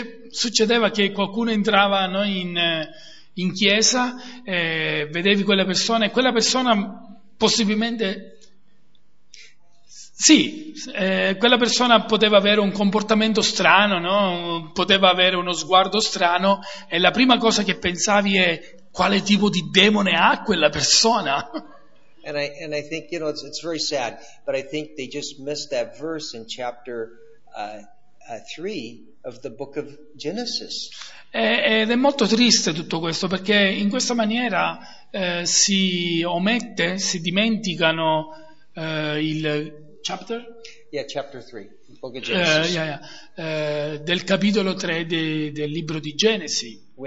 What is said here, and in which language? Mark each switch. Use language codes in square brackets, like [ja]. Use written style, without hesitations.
[it] succedeva che qualcuno entrava, no, in chiesa, vedevi quella persona e quella persona possibilmente, sì, quella persona poteva avere un comportamento strano, no? Poteva avere uno sguardo strano, e la prima cosa che pensavi è quale tipo di demone ha quella persona. [en] And I think, you know, it's very sad, but I think they just missed that verse in chapter 3 of the book of Genesis. [it] Ed è molto triste tutto questo, perché in questa maniera si omette, si dimenticano il chapter? [en] Yeah, chapter 3, book of Genesis. [it] Del capitolo 3 del libro di Genesi.